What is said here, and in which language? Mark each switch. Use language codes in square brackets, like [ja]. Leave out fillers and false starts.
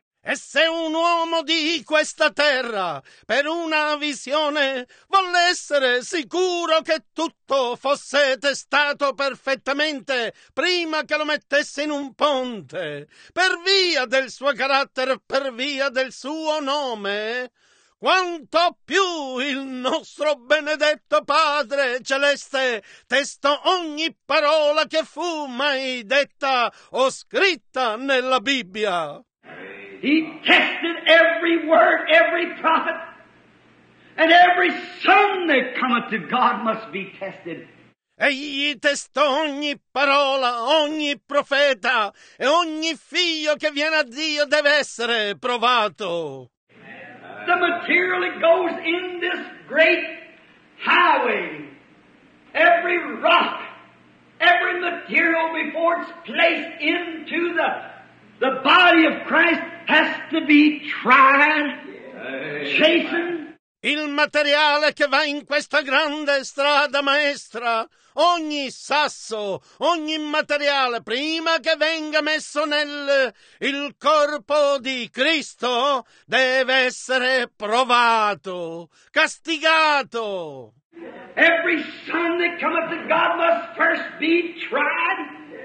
[it] E se un uomo di questa terra, per una visione, volle essere sicuro che tutto fosse testato perfettamente prima che lo mettesse in un ponte, per via del suo carattere, per via del suo nome, quanto più il nostro benedetto Padre Celeste testò ogni parola che fu mai detta o scritta nella Bibbia. [en] He tested every word, every prophet, and every son that cometh to God must be tested. [it] Egli testò ogni parola, ogni profeta, e ogni figlio che viene a Dio deve essere provato. [en] The material that goes in this great highway, every rock, every material before it's placed into the body of Christ has to be tried, chastened. [it] Il materiale che va in questa grande strada maestra, ogni sasso, ogni materiale, prima che venga messo nel il corpo di Cristo, deve essere provato, castigato. [en] Every son that cometh to God must first be tried.